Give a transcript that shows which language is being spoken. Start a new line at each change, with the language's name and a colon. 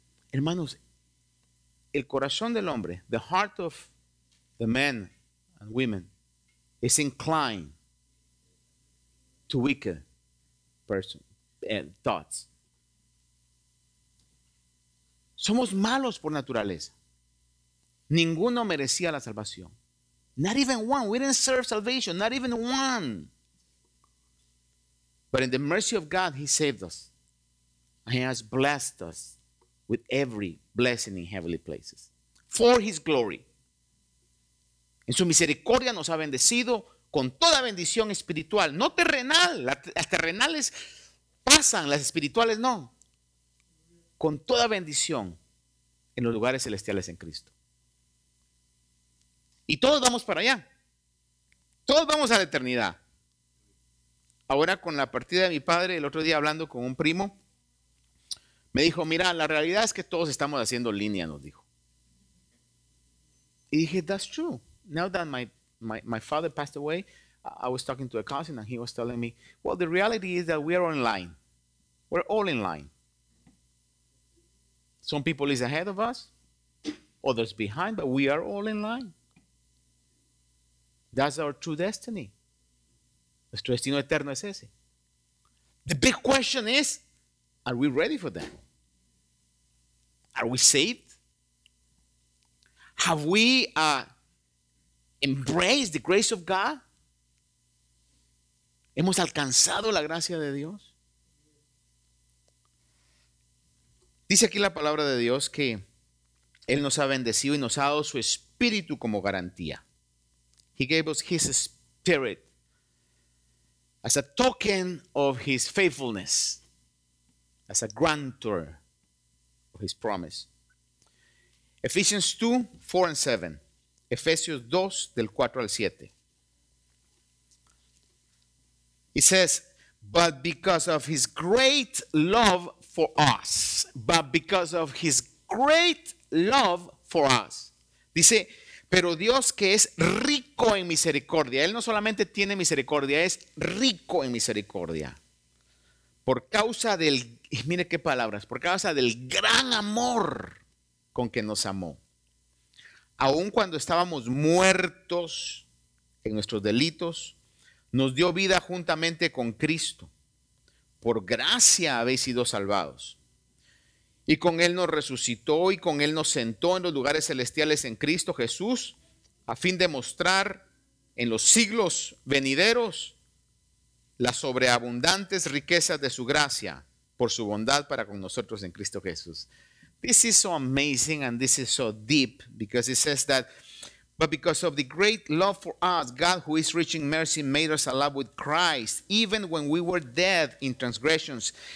Spanish: Hermanos, el corazón del hombre,
English: the heart of the men and women, is inclined to wicked person and thoughts.
Spanish: Somos malos por naturaleza. Ninguno merecía la salvación.
English: Not even one. We didn't serve salvation. Not even one. But in the mercy of God, He saved us. He has blessed us with every blessing in heavenly places. For His glory.
Spanish: En su misericordia nos ha bendecido con toda bendición espiritual. No terrenal. Las terrenales pasan, las espirituales no. Con toda bendición en los lugares celestiales en Cristo. Y todos vamos para allá. Todos vamos a la eternidad. Ahora con la partida de mi padre, el otro día hablando con un primo, me dijo, mira, la realidad es que todos estamos haciendo línea, nos dijo. Y dije,
English: that's true. Now that my father passed away, I was talking to a cousin and he was telling me, well, the reality is that we are in line. We're all in line. Some people is ahead of us, others behind, but we are all in line. That's our true destiny.
Spanish: Nuestro destino eterno es ese.
English: The big question is, are we ready for that? Are we saved? Have we embraced the grace of God?
Spanish: ¿Hemos alcanzado la gracia de Dios? Dice aquí la palabra de Dios que Él nos ha bendecido y nos ha dado su Espíritu como garantía.
English: He gave us His Spirit as a token of His faithfulness, as a grantor of His promise. Ephesians 2, 4 and 7. Ephesians 2,
Spanish: del 4 al 7.
English: It says, but because of His great love for us. But because of His great love for us.
Spanish: Dice, pero Dios que es rico en misericordia. Él no solamente tiene misericordia, es rico en misericordia. por causa del, mire qué palabras, por causa del gran amor con que nos amó. Aun cuando estábamos muertos en nuestros delitos, nos dio vida juntamente con Cristo. Por gracia habéis sido salvados. Y con Él nos resucitó y con Él nos sentó en los lugares celestiales en Cristo Jesús, a fin de mostrar en los siglos venideros las sobreabundantes riquezas de su gracia por su bondad para con nosotros en Cristo Jesús.
English: This is so amazing and this is so deep because it says that, but because of the great love for us, God who is rich in mercy made us alive with Christ, even when we were dead in transgressions.